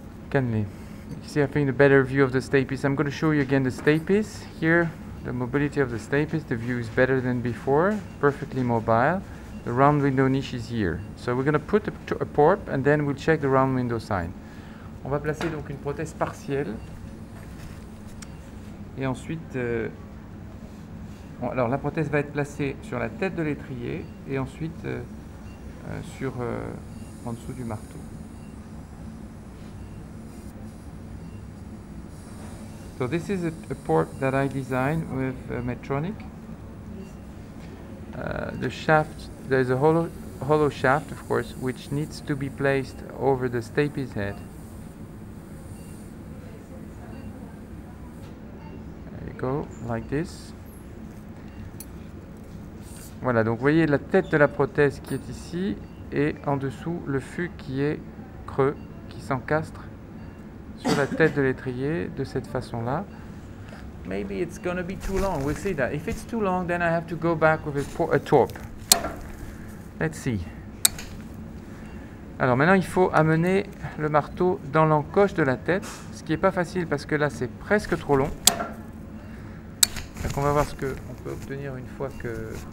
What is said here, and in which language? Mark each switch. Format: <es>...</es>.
<en>Kenley, you see, I think the better view of the stapes. I'm going to show you again the stapes here. The mobility of the stapes, the view is better than before, perfectly mobile. The round window niche is here. So we're going to put a PORP and then we'll check the round window sign.</en> <fr>On va placer donc une prothèse partielle. Et ensuite, alors la prothèse va être placée sur la tête de l'étrier et ensuite sur en dessous du marteau.</fr> <en>So this is a port that I designed with Medtronic. The shaft, there's a hollow shaft, of course, which needs to be placed over the stapes head. There you go, like this.</en> <fr>Voilà, donc vous voyez la tête de la prothèse qui est ici, et en dessous le fût qui est creux, qui s'encastre sur la tête de l'étrier de cette façon-là.</fr> <en>Maybe it's going to be too long. We'll see that. If it's too long, then I have to go back with a TORP. Let's see.</en> <fr>Alors maintenant, il faut amener le marteau dans l'encoche de la tête, ce qui n'est pas facile parce que là, c'est presque trop long. Donc on va voir ce qu'on peut obtenir une fois que...</fr>